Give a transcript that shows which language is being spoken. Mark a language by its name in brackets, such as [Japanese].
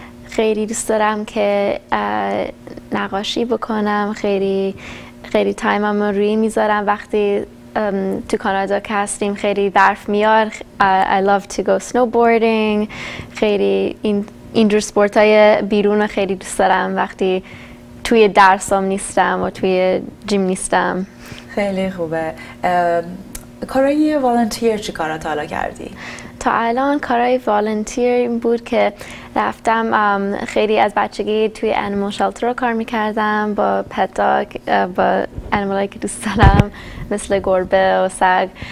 [Persian] خیلی دوست دارم که نقاشی بکنم. خیلی تایم هم روی میذارم وقتی تو کانادا که هستیم. خیلی برف میاد. [English] I love to go snowboarding. [Persian] خیلی اینجور سپورت های بیرون رو خیلی دوست دارم وقتی توی درس هم نیستم و توی جیم نیستم. خیلی خوبه. کارهای والنتیر چی کارا تا حالا کردی؟ تا الان کارهای والنتیر این بود که رفتم خیلی از بچگی توی انیمال شلتر رو کار میکردم با پت داگ، با انیمال هایی که دوست دارم مثل گربه و سگ.